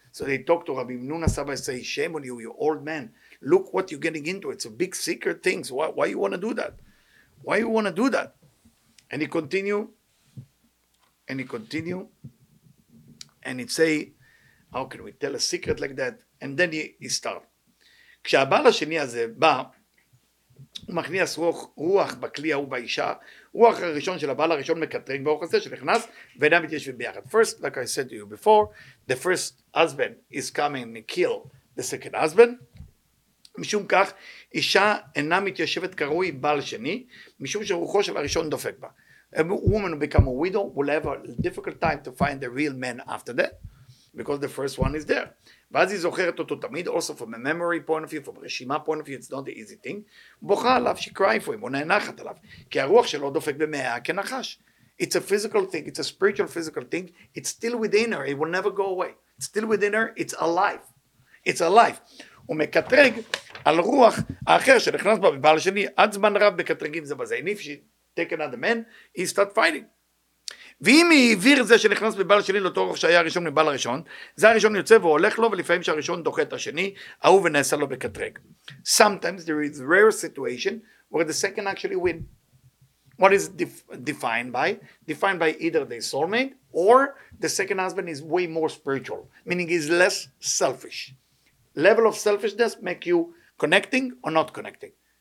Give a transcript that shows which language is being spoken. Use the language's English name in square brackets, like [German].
[English] So they talk to Rabbi Nuna Saba and say, shame on you, you old man. Look what you're getting into. It's a big secret thing. So why you want to do that? Why you want to do that? And he continue. And he'd say, how can we tell a secret like that? And then he started. [Hebrew] כשהבעל השני הזה בא, הוא מכניס רוח בכלי ההוא באישה, רוח הראשון של הבעל הראשון מקטרק ברוך הזה שנכנס, ואינם מתיישבים ביחד. [English] First, like I said to you before, the first husband is coming to kill the second husband. [Hebrew] משום כך, אישה אינה מתיישבת קרוי בעל שני, משום שרוחו של הראשון דופק בה. [English] A woman who becomes a widow will have a difficult time to find a real man after that, because the first one is there. [Hebrew] ואז היא זוכרת אותו תמיד, [English] also from a memory point of view, from a רשימה point of view, it's not the easy thing. [Hebrew] בוכה עליו, [English] she cry for him, [Hebrew] או נאנחת עליו, כי הרוח שלו דופק במאה כנחש. [English] It's a physical thing, it's a spiritual physical thing, it's still within her, it will never go away. It's still within her, it's alive. It's alive. [Hebrew] הוא מקטרג על רוח האחר שנכנס בה בבעל השני, עד זמן רב מקטרגים זה בזה, אין אפשר. [English] Take another man, he start fighting. [Hebrew] ואם היא העביר זה שנכנס בבעל השני לאותו רוח שהיה הראשון מבעל הראשון, זה הראשון יוצא והולך לו, ולפעמים שהראשון דוחה את השני, ההוא ונעשה לו בקטרג. [English] Sometimes there is a rare situation where the second actually win. What is defined by? Defined by either the soulmate or the second husband is way more spiritual, meaning he's less selfish. Level of selfishness make you connecting or not connecting.